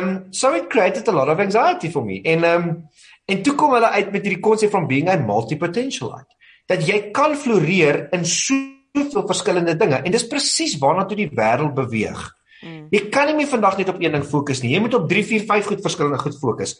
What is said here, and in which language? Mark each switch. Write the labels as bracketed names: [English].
[English] So it created a lot of anxiety for me. [Afrikaans] En toe kom hulle uit met hierdie konsep van [English] being a multipotentialite. [Afrikaans] Dat jy kan floreer in soveel verskillende dinge. En dis presies waarna toe die wêreld beweeg. Jy kan nie meer vandag net op een ding fokus nie. Jy moet op 3, 4, 5 goed verskillende goed fokus.